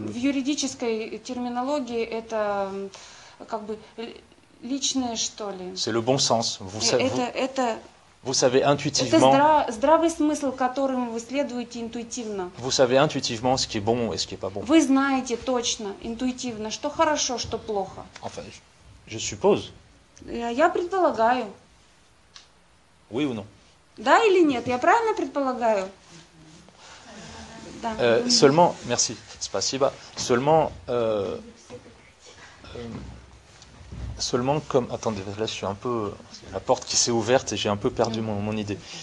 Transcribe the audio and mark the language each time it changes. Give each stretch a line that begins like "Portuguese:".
Russian: В юридической терминологии это... как бы личное, что ли.
French: C'est le bon sens. Vous savez intuitivement.
Russian: Это здравый смысл, которым вы следуете интуитивно.
French: Vous savez intuitivement ce qui est bon et ce qui est pas bon.
Russian: Вы знаете точно, интуитивно, что хорошо, что плохо.
French: Enfin, je suppose.
Russian: Я предполагаю.
French: Oui ou non?
Russian: Да или нет? Я правильно предполагаю? Да.
French: Seulement, merci, спасибо. Seulement, seulement comme... Attendez, là, je suis un peu... La porte qui s'est ouverte et j'ai un peu perdu mon idée.